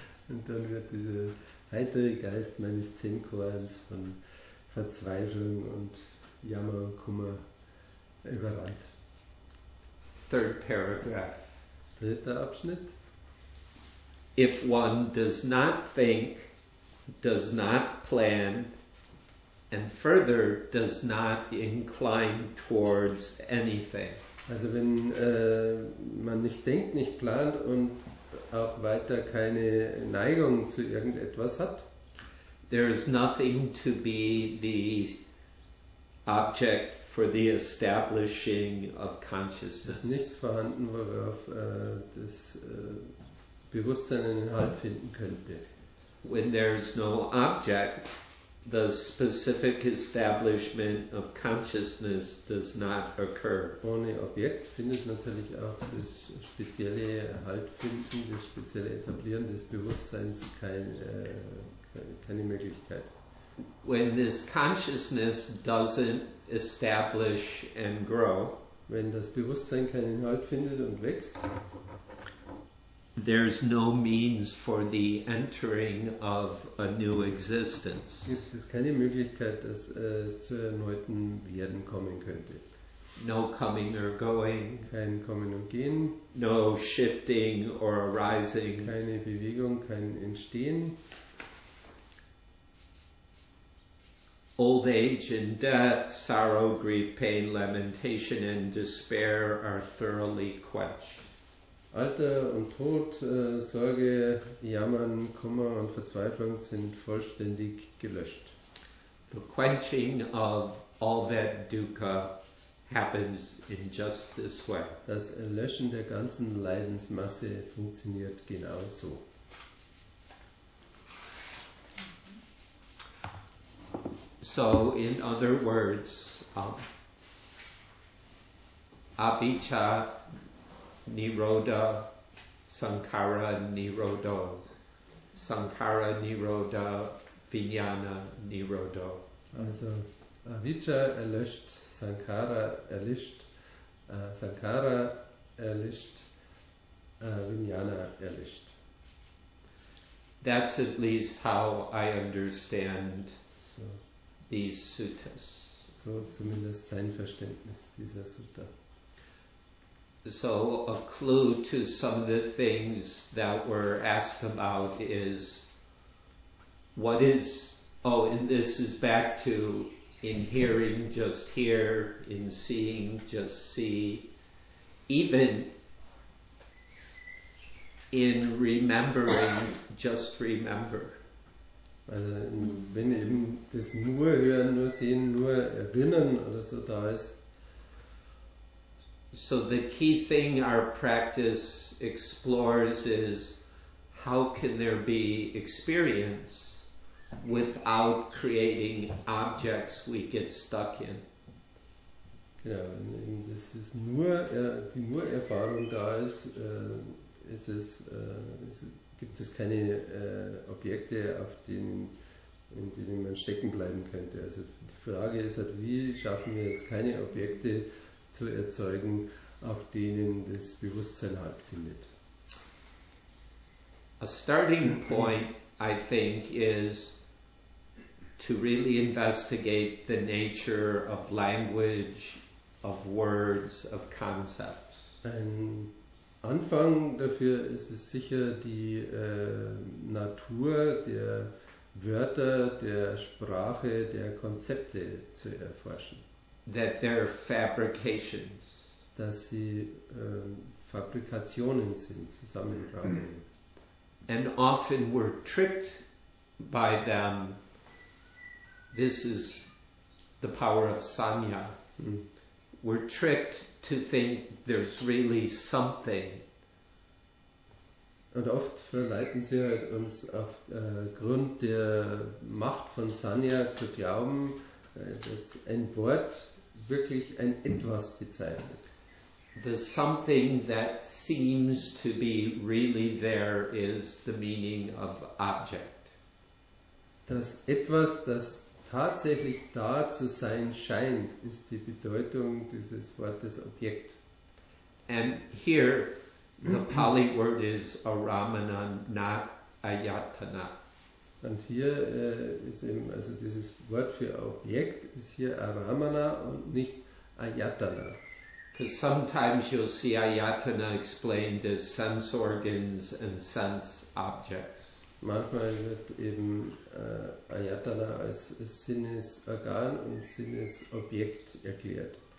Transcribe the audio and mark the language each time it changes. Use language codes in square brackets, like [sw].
[de] Und dann wird dieser heitere Geist meines Zen-Koans von Verzweiflung und Jammer und Kummer überrannt. [en] Third paragraph. [de] Dritter Abschnitt. [en] If one does not think, does not plan, and further does not incline towards anything. [de] Also wenn man nicht denkt, nicht plant und auch weiter keine Neigung zu irgendetwas hat. [en] There is nothing to be the object for the establishing of consciousness. [de] Es ist nichts vorhanden, worauf das Bewusstsein einen Halt finden könnte. [en] When there is no object, the specific establishment of consciousness does not occur. [de] Ohne Objekt findet natürlich auch das spezielle Haltfinden, das spezielle Etablieren des Bewusstseins keine Möglichkeit. [en] When this consciousness doesn't establish and grow, [de] wenn das Bewusstsein keinen Halt findet und wächst, [en] there's no means for the entering of a new existence. [de] Gibt es keine Möglichkeit, dass es zu erneuten Werden kommen könnte. [en] No coming or going. [de] Kein Kommen und Gehen. [en] No shifting or arising. [de] Keine Bewegung, kein Entstehen. [en] Old age and death, sorrow, grief, pain, lamentation and despair are thoroughly quenched. [de] Alter und Tod, Sorge, Jammern, Kummer und Verzweiflung sind vollständig gelöscht. [en] The quenching of all that dukkha happens in just this way. [de] Das Erlöschen der ganzen Leidensmasse funktioniert genau so. [en] So, in other words, avicca, Nirodha, Sankara, Nirodho, Sankara, Nirodha, Vijnana, Nirodho. [de] Also, Avijja erlischt, Sankara erlischt, Sankara erlischt, Vijnana erlischt. [en] That's at least how I understand these suttas. [de] So zumindest sein Verständnis dieser Sutta. [en] So a clue to some of the things that were asked about is what is, oh, and this is back to in hearing just hear, in seeing just see, even in remembering just remember. [de] Also wenn eben das nur hören, nur sehen, nur erinnern oder so da ist. [en] So the key thing our practice explores is how can there be experience without creating objects we get stuck in. [de] Genau, wenn das ist nur die nur Erfahrung da ist, ist es, gibt es keine Objekte, auf denen, in denen man stecken bleiben könnte. Also die Frage ist halt, wie schaffen wir es, keine Objekte zu erzeugen, auf denen das Bewusstsein halt findet. [en] A starting point, I think, is to really investigate the nature of language, of words, of concepts. [de] Ein Anfang dafür ist es sicher die Natur der Wörter, der Sprache, der Konzepte zu erforschen. [en] That they're fabrications. [de] Dass sie Fabrikationen sind, Zusammenbrauchen. [en] And often we're tricked by them. This is the power of Samya. We're tricked to think there's really something. [de] Und oft verleiten sie halt uns auf Grund der Macht von Sanya zu glauben, dass ein Wort wirklich ein Etwas bezeichnet. [en] The something that seems to be really there is the meaning of object. [de] Das Etwas, das tatsächlich da zu sein scheint, ist die Bedeutung dieses Wortes Objekt. [en] And here the Pali word is aramana, not ayatana. [de] Und hier ist eben, also dieses Wort für Objekt ist hier aramana und nicht ayatana. [en] Because sometimes you'll see ayatana explained as sense organs and sense objects. [de] Manchmal wird eben ayatana als Sinnesorgan und Sinnesobjekt erklärt.